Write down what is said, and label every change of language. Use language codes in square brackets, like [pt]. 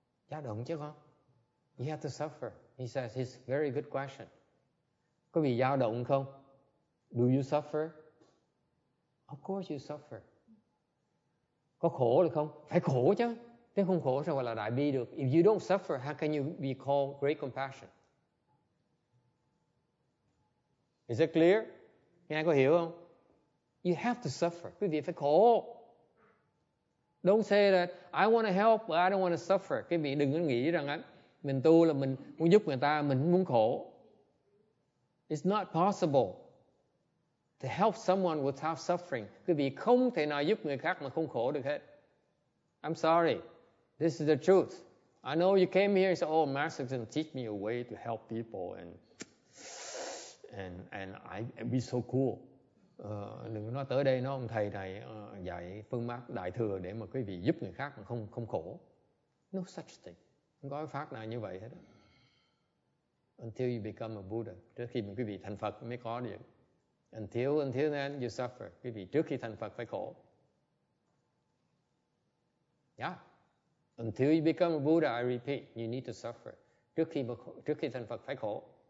[vi] Dao động chứ không? [en] You have to suffer. He says it's a very good question. [vi] Có bị dao động không? [en] Do you suffer? Of course you suffer. [vi] Có khổ được không? Phải khổ chứ. Nếu không khổ sao gọi là đại bi được. [en] If you don't suffer, how can you be called great compassion? Is it clear? [vi] Nghe có hiểu không? [en] You have to suffer. [vi] Quý vị phải khổ. [en] Don't say that I want to help, but I don't want to suffer. [vi] Quý vị đừng có nghĩ rằng mình tu là mình muốn giúp người ta, mình muốn khổ. [en] It's not possible to help someone without suffering. [vi] Quý vị không thể nào giúp người khác mà không khổ được hết. [en] I'm sorry. This is the truth. I know you came here and said, oh, Master's going to teach me a way to help people and I'd be so cool. [vi] Đừng nói tới đây, nó ông thầy này dạy phương pháp đại thừa để mà quý vị giúp người khác mà không khổ. [en] No such thing. [vi] Không có pháp nào như vậy hết. [en] Until you become a Buddha. [vi] Trước khi mà quý vị thành Phật mới có được. [en] Until then, you suffer. [vi] Quý vị trước khi thành Phật phải khổ. [en] Yeah. Until you become a Buddha, I repeat, you need to suffer. [vi] Trước khi thành Phật phải khổ.